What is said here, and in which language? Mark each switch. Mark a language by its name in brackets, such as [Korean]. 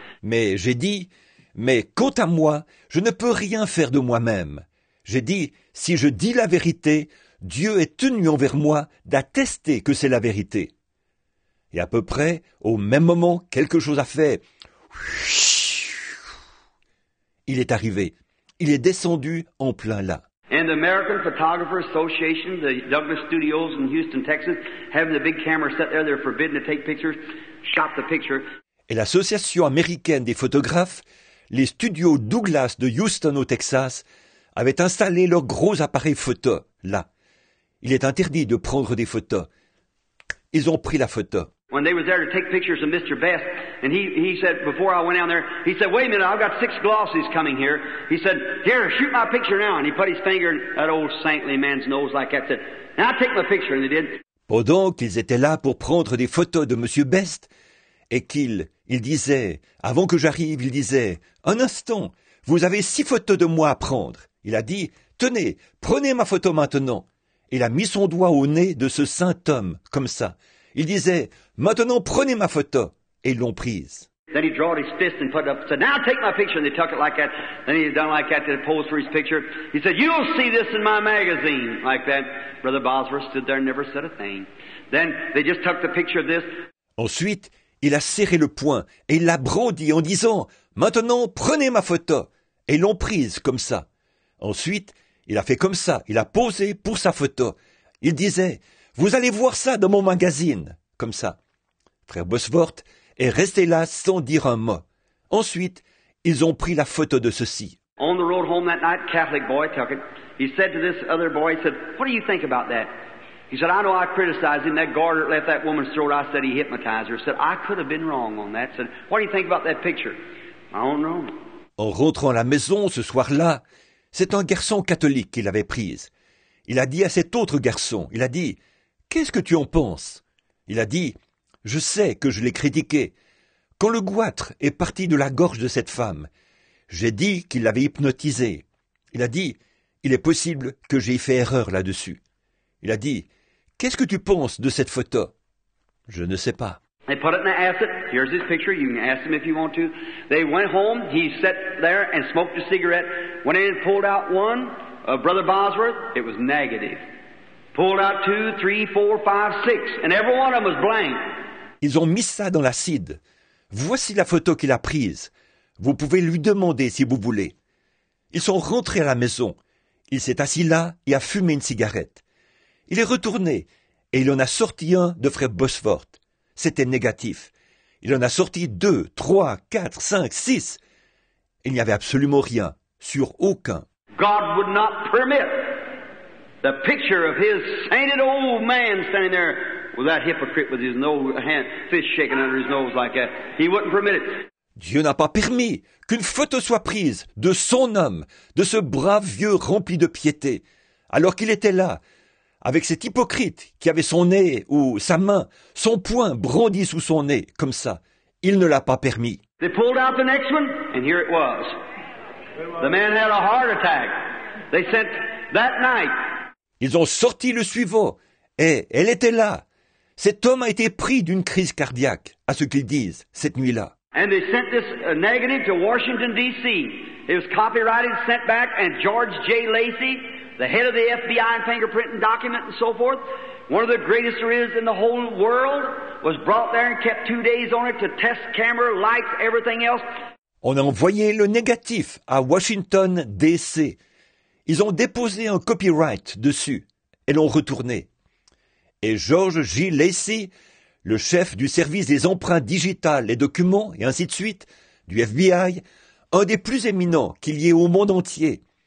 [French] Mais j'ai dit, mais quant à moi, je ne peux rien faire de moi-même. J'ai dit, si je dis la vérité, Dieu est tenu envers moi d'attester que c'est la vérité. Et à peu près, au même moment, quelque chose a fait, il est arrivé. Il est descendu en plein là. [English] And the American Photographer Association, the Douglas Studios in Houston, Texas, having the big camera set there, they're forbidden to take pictures, shot the picture. [French] Et l'association américaine des photographes, les studios Douglas de Houston au Texas, avaient installé leur gros appareil photo là. Il est interdit de prendre des photos. Ils ont pris la photo. [English] When they were there to take pictures of Mr. Best, and he said, before I went down there, he said, wait a minute, I've got six glossies coming here. He said, here, shoot my picture now. And he put his finger in that old saintly man's nose like that, said, now take my picture. And they did. [French] Pendant qu'ils étaient là pour prendre des photos de Monsieur Best, et qu'il disait, avant que j'arrive, il disait, un instant, vous avez six photos de moi à prendre. Il a dit, tenez, prenez ma photo maintenant. Il a mis son doigt au nez de ce saint homme, comme ça. Il disait, maintenant prenez ma photo. Et ils l'ont prise. [English] Then he drew his fist and put it up and said, now take my picture. And they took it like that. Then he done like that to pose for his picture. He said, you'll see this in my magazine. Like that. Brother Bosworth stood there and never said a thing. Then they just took the picture of this. [French] Ensuite, il a serré le poing et il l'a brandi en disant, maintenant prenez ma photo. Et ils l'ont prise comme ça. Ensuite, il a fait comme ça. Il a posé pour sa photo. Il disait, vous allez voir ça dans mon magazine, comme ça. Frère Bosworth est resté là sans dire un mot. Ensuite, ils ont pris la photo de ceci. [English] On the road home that night, Catholic boy took it. He said to this other boy, he said, what do you think about that? He said, I know I criticized him. That guard that left that woman's throat, I said he hypnotized her. He said, I could have been wrong on that. He said, what do you think about that picture? I don't know. [French] En rentrant à la maison ce soir-là, c'est un garçon catholique qui l'avait prise. Il a dit à cet autre garçon, il a dit, qu'est-ce que tu en penses? Il a dit, je sais que je l'ai critiqué. Quand le goitre est parti de la gorge de cette femme, j'ai dit qu'il l'avait hypnotisé. Il a dit, il est possible que j'ai fait erreur là-dessus. Il a dit, qu'est-ce que tu penses de cette photo? Je ne sais pas. [English] They put it in the acid. Here's his picture. You can ask him if you want to. They went home. He sat there and smoked a cigarette. Went in and pulled out one of Brother Bosworth. It was negative. Pulled out two, three, four, five, six. And every one of them was blank. [French] Ils ont mis ça dans l'acide. Voici la photo qu'il a prise. Vous pouvez lui demander si vous voulez. Ils sont rentrés à la maison. Il s'est assis là et a fumé une cigarette. Il est retourné et il en a sorti un de Frère Bosworth. C'était négatif. Il en a sorti deux, trois, quatre, cinq, six. Il n'y avait absolument rien, sur aucun. [English] God would not permit the picture of his sainted old man standing there with that hypocrite with his hand, fist shaking under his nose like that. He wouldn't permit it. [French] Dieu n'a pas permis qu'une photo soit prise de son homme, de ce brave vieux rempli de piété, alors qu'il était là, avec cet hypocrite qui avait son nez ou sa main, son poing brandi sous son nez, comme ça. Il ne l'a pas permis. [English] They pulled out the next one, and here it was. The man had a heart attack. They sent that night. [French] Ils ont sorti le suivant, et elle était là. Cet homme a été pris d'une crise cardiaque, à ce qu'ils disent, cette nuit-là. [English] And they sent this negative to Washington, D.C. It was copyrighted, sent back, and George J. Lacey, the head of the FBI and fingerprinting document and so forth, one of the greatest there is in the whole world, was brought there and kept 2 days on it to test camera, lights, everything else. [French] On a envoyé le négatif à Washington, D.C. Ils ont déposé un copyright dessus et l'ont retourné. et George J. Lacey, le chef du service des empreintes digitales, les documents et ainsi de suite du FBI, un des plus éminents qu'il y ait au monde entier.